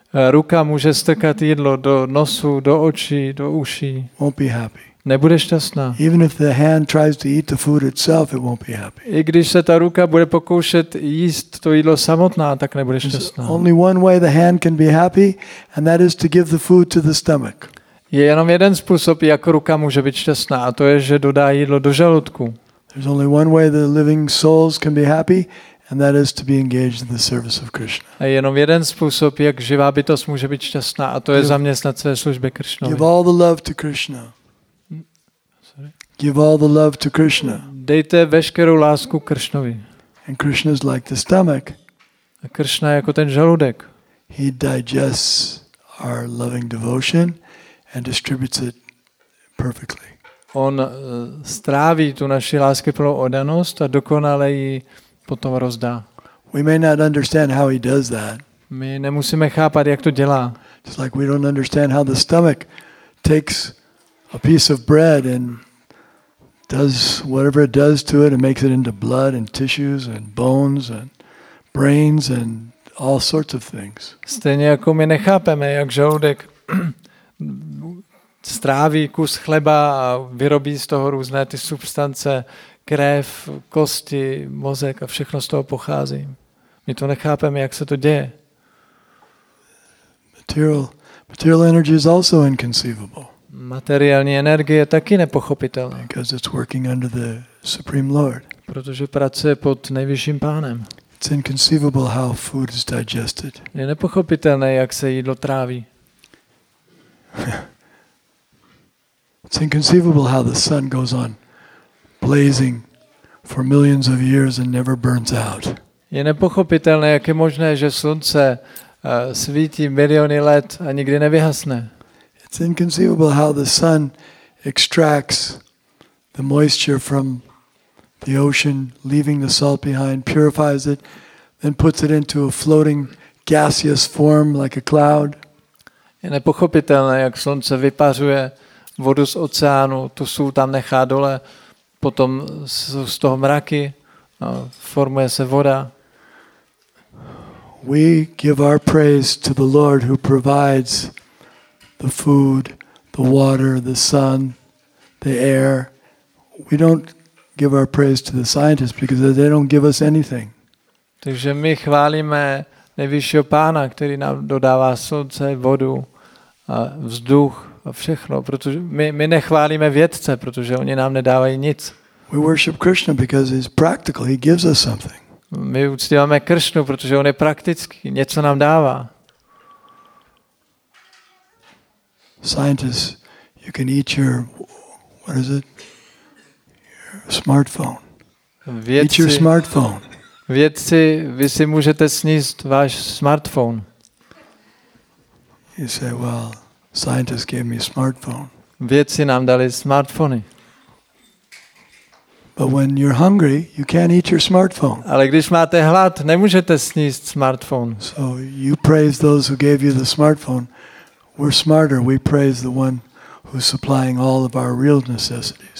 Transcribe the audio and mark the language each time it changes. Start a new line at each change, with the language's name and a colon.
Czech: Ruka může strkat jídlo do nosu, do očí, do uší.
English: Won't be happy.
Czech: Nebude šťastná.
English: Even if the hand tries to eat the food itself, it won't be happy.
Czech: I když se ta ruka bude pokoušet jíst to jídlo samotná, tak nebude šťastná.
English: Only one way the hand can be happy, and that is to give the food to the stomach.
Czech: Je jenom jeden způsob, jak ruka může být šťastná, a to je, že dodá jídlo do žaludku.
English: There's only one way the living souls can be happy, and that is to be engaged in the service of Krishna.
Czech: A jenom jeden způsob, jak živá bytost může být šťastná, a to je zaměstnat se službě Krishnovi.
English: Give all the love to Krishna. Give all the love to Krishna.
Czech: Dejte veškerou lásku Krishnovi.
English: And Krishna is like the stomach.
Czech: A Krishna je jako ten žaludek.
English: He digests our loving devotion and distributes it perfectly.
Czech: On stráví tu naši láskyplnou oddanost a dokonale ji potom rozdá.
English: We may not understand how he does that.
Czech: My nemusíme chápat, jak to dělá.
English: Just like we don't understand how the stomach takes a piece of bread and does whatever it does to it and makes it into blood and tissues and bones and brains and all sorts of things.
Czech: Stejně jako my nechápeme, jak žaludek stráví kus chleba a vyrobí z toho různé ty substance, krev, kosti, mozek a všechno z toho pochází. My to nechápeme, jak se to děje.
English: Material energy is also inconceivable.
Czech: Materiální energie je taky nepochopitelná.
English: Because it's working under the Supreme Lord.
Czech: Protože pracuje pod nejvyšším pánem.
English: It's inconceivable how food is digested.
Czech: Je nepochopitelné, jak se jídlo tráví.
English: It's inconceivable how the sun goes on blazing for millions of years and never burns out.
Czech: Je nepochopitelné, jak je možné, že slunce svítí miliony let a nikdy nevyhasne.
English: It's inconceivable how the sun extracts the moisture from the ocean, leaving the salt behind, purifies it, then puts it into a floating gaseous form like a cloud.
Czech: Je nepochopitelné, jak slunce vypařuje vodu z oceánu, tu sůl tam nechá dole, potom z toho mraky formuje se voda.
English: We give our praise to the Lord who provides the food, the water, the sun, the air. We don't give our praise to the scientists because they don't give us anything.
Czech: Takže my chválíme nejvyššího pána, který nám dodává slunce, vodu a vzduch a všechno, protože my nechválíme vědce, protože oni nám nedávají nic.
English: We worship Krishna because he's practical, he gives us something.
Czech: My uctíváme Kršnu, protože on je praktický, něco nám dává.
English: Scientists, you can eat your, what is it? Smartphone.
Czech: Vědci,
English: eat your smartphone.
Czech: Vědci, vy si můžete sníst váš smartphone.
English: You say, well, scientists gave me a smartphone.
Czech: Vědci nám dali smartfony.
English: But when you're hungry, you can't eat your smartphone.
Czech: Ale když máte hlad, nemůžete sníst smartphone.
English: So you praise those who gave you the smartphone. We're smarter. We praise the one who's supplying all of our real necessities.